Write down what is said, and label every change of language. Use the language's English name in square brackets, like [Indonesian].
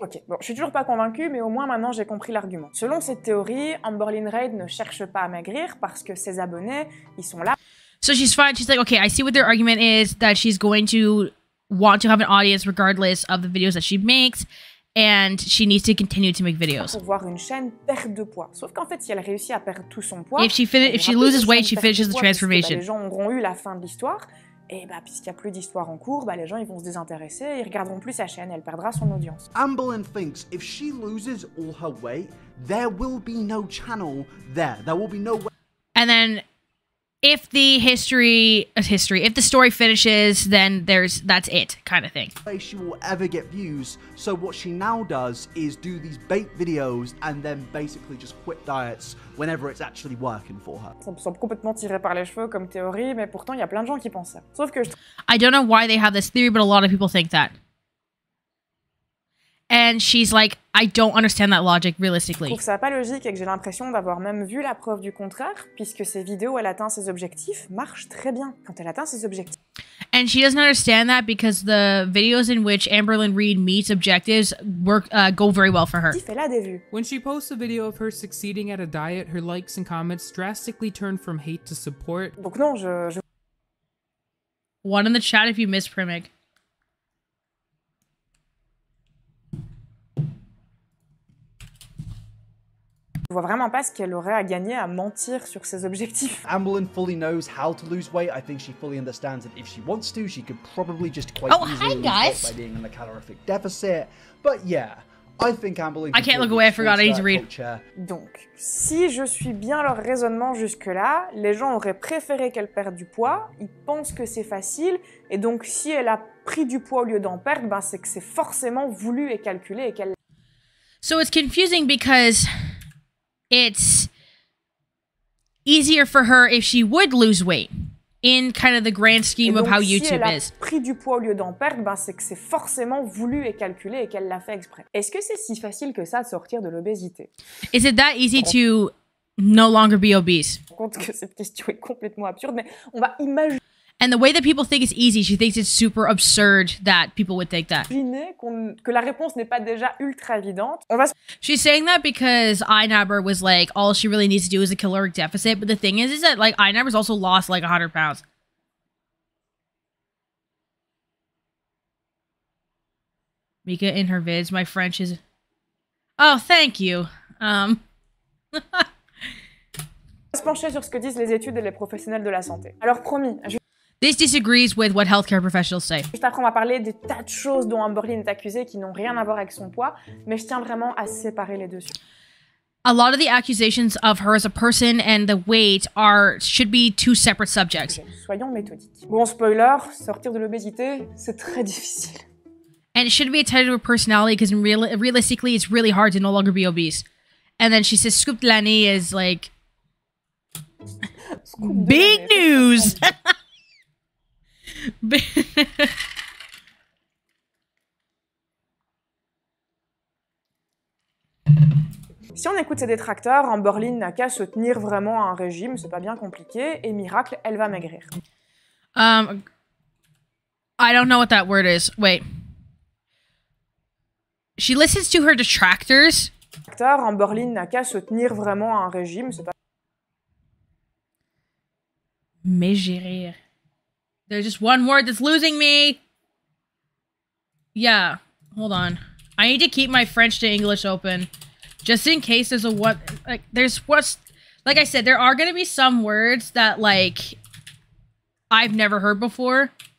[French] Ok, bon, je suis toujours pas convaincue, mais au moins maintenant j'ai compris l'argument. Selon cette théorie, Amberlynn Reid ne cherche pas à maigrir parce que ses abonnés, ils sont là. [English] So she's fine, she's like, okay, I see what their argument is, that she's going to want to have an audience regardless of the videos that she makes. And she needs to continue to make videos. [French] Pour voir une chaîne perdre de poids. Sauf qu'en fait, si elle réussit à perdre tout son poids, [English] if she loses weight, she finishes the transformation. [French] Les gens auront eu la fin de l'histoire. Et bah, puisqu'il n'y a plus d'histoire en cours, bah, les gens ils vont se désintéresser, ils regarderont plus sa chaîne, elle perdra son audience. [English] Amberlynn thinks if she loses all her weight, there will be no channel there. There will be no. And then, if the history, if the story finishes, then that's it, kind of thing. She will ever get views, so what she now does is do these bait videos and then basically just quit diets whenever it's actually working for her. [French] Ça me semble complètement tiré par les cheveux comme théorie, mais pourtant il y a plein de gens qui pensent ça. Sauf que [English] I don't know why they have this theory, but a lot of people think that. And she's like, I don't understand that logic, realistically. [French] Je trouve ça pas logique et que j'ai l'impression d'avoir même vu la preuve du contraire, puisque ses vidéos où elle atteint ses objectifs marchent très bien quand elle atteint ses objectifs. [English] And she doesn't understand that because the videos in which Amberlynn Reid meets objectives work go very well for her. [French] Elle a des vues. [English] When she posts a video of her succeeding at a diet, her likes and comments drastically turn from hate to support. [French] Donc non, je... [English] One in the chat if you miss Primig. [French] Je vois vraiment pas ce qu'elle aurait à gagner à mentir sur ses objectifs. [English] Amberlynn fully knows how to lose weight. I think she fully understands that if she wants to, she could probably just quite easily lose weight by being in a calorific deficit. But yeah, I think Amberlynn. I can't look away. I forgot. I need to read. [French] Donc, si je suis bien leur raisonnement jusque là, les gens auraient préféré qu'elle perde du poids. Ils pensent que c'est facile, et donc si elle a pris du poids au lieu d'en perdre, ben c'est que c'est forcément voulu et calculé et qu'elle. [English] So it's confusing because. It's easier for her if she would lose weight in kind of the grand scheme of how YouTube is. [French] Et donc si elle a pris du poids au lieu d'en perdre, ben c'est que c'est forcément voulu et calculé et qu'elle l'a fait exprès. Est-ce que c'est si facile que ça de sortir de l'obésité? [English] Is it that easy to no longer be obese? [French] Je me rends compte que cette question est complètement absurde, mais on va imaginer... [English] And the way that people think it's easy, she thinks it's super absurd that people would think that. [French] Que la réponse n'est pas déjà ultra évidente. On va... [English] She's saying that because Einhaber was like, all she really needs to do is a caloric deficit. But the thing is that like Einhaber's also lost like 100 pounds. Mika in her vids, my French is... Oh, thank you. [French] On va se pencher sur ce que disent les études et les professionnels de la santé. Alors promis, je... [English] This disagrees with what healthcare professionals say. [French] Juste après, on va parler des tas de choses dont Amberlynn est accusée qui n'ont rien à voir avec son poids, mais je tiens vraiment à séparer les deux. [English] A lot of the accusations of her as a person and the weight should be two separate subjects. [French] Soyons méthodiques. Bon, spoiler, sortir de l'obésité, c'est très difficile. [English] And it shouldn't be attached to her personality because realistically, it's really hard to no longer be obese. And then she says [French] Scoop de l'année [English] is like... [French] Scoop de [English] big news! [French] Si on écoute ses détracteurs, Amberlynn n'a qu'à se tenir vraiment à un régime, c'est pas bien compliqué, et miracle, elle va maigrir. [English] I don't know what that word is. Wait. She listens to her detractors. [French] Amberlynn n'a qu'à se tenir vraiment à un régime, c'est pas... [English] Maigrir. There's just one word that's losing me. Yeah, hold on. I need to keep my French to English open. Just in case there's a what... Like, there's what's... Like I said, there are gonna be some words that, like, I've never heard before.